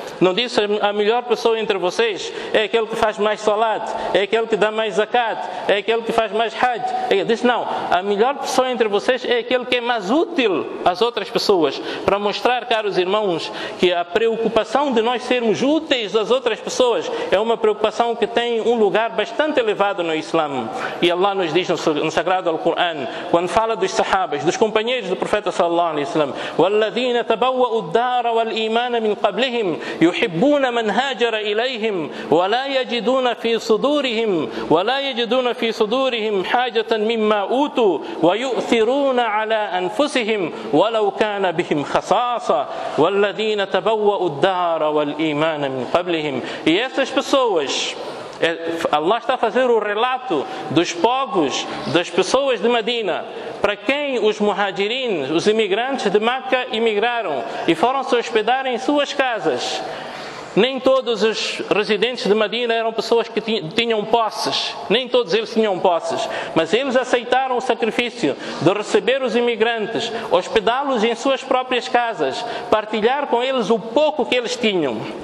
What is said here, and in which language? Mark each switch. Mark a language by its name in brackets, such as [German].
[Portuguese] Não diz a melhor pessoa entre vocês é aquele que faz mais salat, é aquele que dá mais zakat, é aquele que faz mais hajj. Diz não, a melhor pessoa entre vocês é aquele que é mais útil às outras pessoas. Para mostrar, caros irmãos, que a preocupação de nós sermos úteis às outras pessoas é uma preocupação que tem um lugar bastante elevado no Islã. E Allah nos diz no Sagrado Al-Quran, quando fala dos sahabas, dos companheiros do profeta sallallahu alaihi wasallam, [Arabic] الذين تبوأوا الدار والإيمان من قبلهم يحبون من هاجر إليهم ولا يجدون في صدورهم حاجة مما أوتوا ويؤثرون على أنفسهم ولو كان بهم خصاصة والذين تبوأوا الدار والإيمان من قبلهم. [Portuguese] Essas pessoas, Allah está a fazer o relato dos povos, das pessoas de Medina, para quem os muhajirin, os imigrantes de Meca, imigraram e foram se hospedar em suas casas. Nem todos os residentes de Medina eram pessoas que tinham posses, nem todos eles tinham posses, mas eles aceitaram o sacrifício de receber os imigrantes, hospedá-los em suas próprias casas, partilhar com eles o pouco que eles tinham.